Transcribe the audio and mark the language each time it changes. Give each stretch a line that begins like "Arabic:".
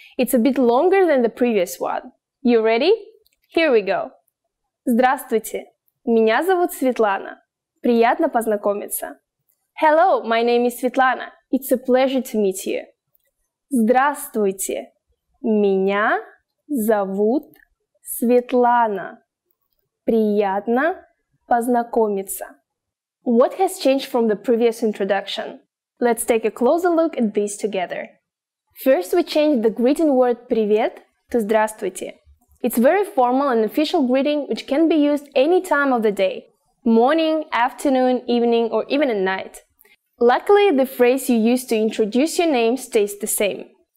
English: It's a bit longer than the previous one. You ready? Here we go.
Russian: Здравствуйте, меня зовут Светлана. Приятно познакомиться.
English: Hello, my name is Светлана. It's a pleasure to meet you.
Russian: Здравствуйте, меня зовут Светлана. Приятно познакомиться.
English: What has changed from the previous introduction? Let's take a closer look at these together. First, we change the greeting word привет to здравствуйте. It's very formal and official greeting which can be used any time of the day. Morning, afternoon, evening, or even at night. Luckily, the phrase you use to introduce your name stays the same.